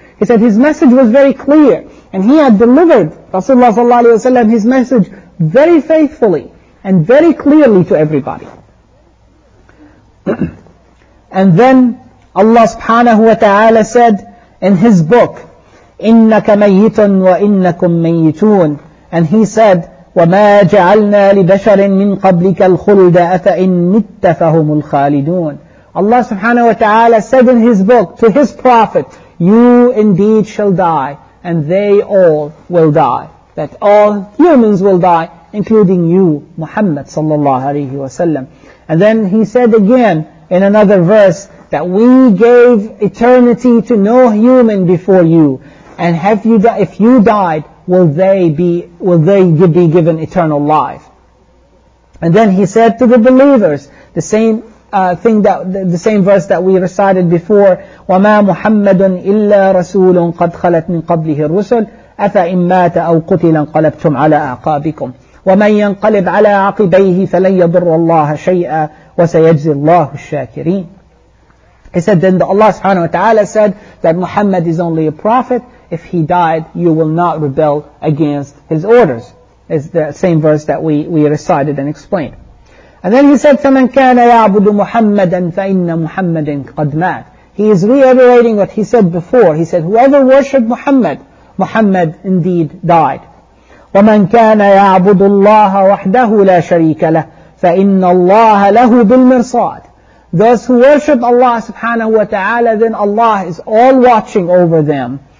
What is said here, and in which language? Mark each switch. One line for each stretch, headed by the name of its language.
English: He said his message was very clear, and he had delivered Rasulullah sallallahu alaihi wasallam his message very faithfully and very clearly to everybody. And then Allah subhanahu wa ta'ala said in his book,
Arabic: إِنَّكَ مَيِّتٌ وَإِنَّكُمْ مَيِّتُونَ.
English: And he said,
Arabic: وَمَا جَعَلْنَا لِبَشَرٍ مِّن قَبْلِكَ الْخُلْدَ أَفَإِن مِتَّ فَهُمُ الْخَالِدُونَ.
English: Allah subhanahu wa ta'ala said in his book to his prophet, you indeed shall die, and they all will die. That all humans will die, including you, Muhammad sallallahu alayhi wa sallam. And then he said again in another verse that we gave eternity to no human before you. And have you if you died, will they be given eternal life? And then he said to the believers, the same thing that the same verse that we recited before,
Arabic: وَمَا مُحَمَّدٌ إِلَّا رَسُولٌ قَدْ خَلَتْ مِنْ قَبْلِهِ الرُّسُلُ أَفَإِنْ مَاتَ أَوْ قُتِلَ انْقَلَبْتُمْ عَلَىٰ أَعْقَابِكُمْ وَمَنْ يَنْقَلِبْ عَلَىٰ عَقِبَيْهِ فَلَنْ يَضُرَّ اللَّهَ شَيْئًا وَسَيَجْزِي اللَّهُ الشَّاكِرِينَ.
English: He said, then the Allah subhanahu wa ta'ala said that Muhammad is only a prophet. If he died, you will not rebel against his orders. It's the same verse that we recited and explained. And then he said,
Arabic: فَمَنْ كَانَ يَعْبُدُ مُحَمَّدًا فَإِنَّ مُحَمَّدٍ قَدْ مَاتَ.
English: He is reiterating what he said before. He said, whoever worshipped Muhammad, Muhammad indeed died.
Arabic: وَمَنْ كَانَ يَعْبُدُ اللَّهَ وَحْدَهُ لَا شَرِيكَ لَهُ فَإِنَّ اللَّهَ لَهُ بِالْمِرْصَادِ.
English: Those who worship Allah subhanahu wa ta'ala, then Allah is all watching over them.